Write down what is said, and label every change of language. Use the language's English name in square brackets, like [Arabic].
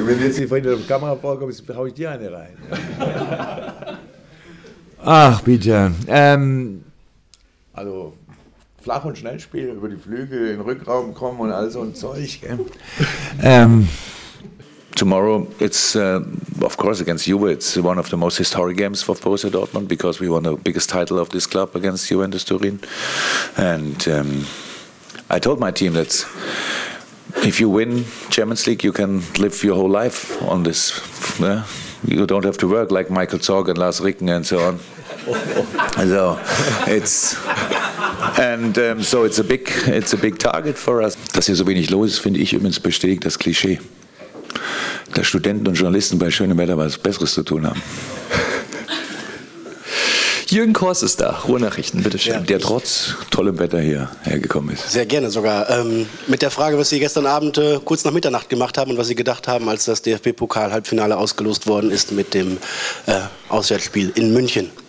[German] Wenn jetzt die vorhin in der Kamera vorkommt, haue ich dir eine rein. Ach, bitte. Also Flach- und Schnellspiel über die Flügel in den Rückraum kommen und all so ein Zeug. [English] Tomorrow, it's of course against Juve. It's one of the most historic games for Borussia Dortmund because we won the biggest title of this club against Juventus Turin. And I told my team that if you win Champions League, you can live your whole life on this. You don't have to work like Michael Zorc and Lars Ricken and so on. So it's and so it's a big target for us. [German] Dass hier so wenig los ist, finde ich übrigens bestätigt das Klischee, dass Studenten und Journalisten bei schönem Wetter was Besseres zu tun haben. Jürgen Kors ist da, Ruhrnachrichten, bitteschön. Ja, der trotz tollem Wetter hier hergekommen ist. Sehr gerne sogar. Mit der Frage, was Sie gestern Abend kurz nach Mitternacht gemacht haben und was Sie gedacht haben, als das DFB-Pokal-Halbfinale ausgelost worden ist mit dem Auswärtsspiel in München.